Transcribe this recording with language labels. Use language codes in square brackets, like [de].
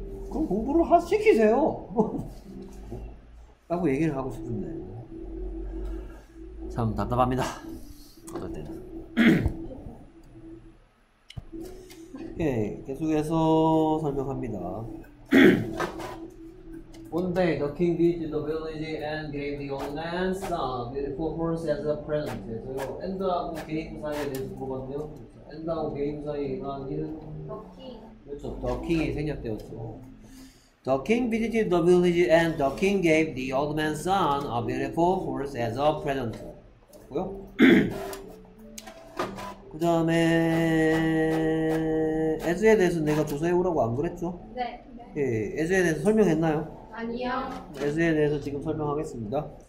[ko] 그럼 공부를 시키세요. 라고 얘기를 하고 싶은데 참 답답합니다. 어떨 때는. 오케이, 계속해서 설명합니다. [en] One day, the king visited the village and gave the old man some beautiful horse as a present. [ko] 저요, and하고 gave 사이에 대해서 물어봤네요. and하고 gave 사이에 일어난 일은? [en] The king. [ko] 그렇죠, the king이 생략되었죠. [en] The king visited the village and the king gave the old man's son a beautiful horse as a present. [ko] 고요. 그 다음에 as에 대해서 내가 조사해오라고 안 그랬죠? 네. 예, as에 대해서 설명했나요? 아니요. as에 대해서 지금 설명하겠습니다.